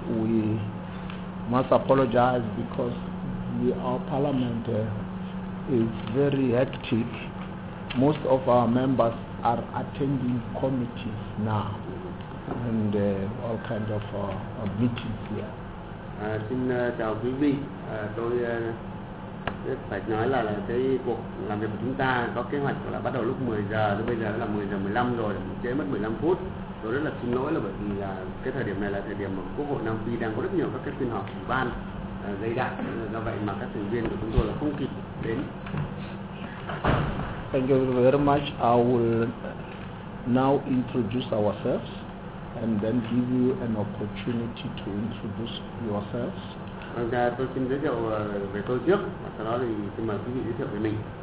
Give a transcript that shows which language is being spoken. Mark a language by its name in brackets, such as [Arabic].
[English] We must apologize because our parliament is very hectic. Most of our members are attending committees now and all kinds of meetings here. [Vietnamese] Xin chào quý vị, tôi phải nói là cái cuộc làm việc của chúng ta có kế hoạch là bắt đầu lúc 10 giờ, tới bây giờ là 10 giờ 15 rồi, trễ mất 15 phút. Tôi rất là xin lỗi là bởi vì là cái thời điểm này là thời điểm mà Quốc hội Nam Phi đang có rất nhiều các cái phiên họp ủy ban gây đạn, do vậy mà các thành viên của chúng tôi là không kịp đến. [English] Thank you very much. I will now introduce ourselves and then give you an opportunity to introduce yourselves. [Vietnamese] Vâng, tôi xin giới thiệu về tôi trước và sau đó thì xin mời quý vị giới thiệu về mình.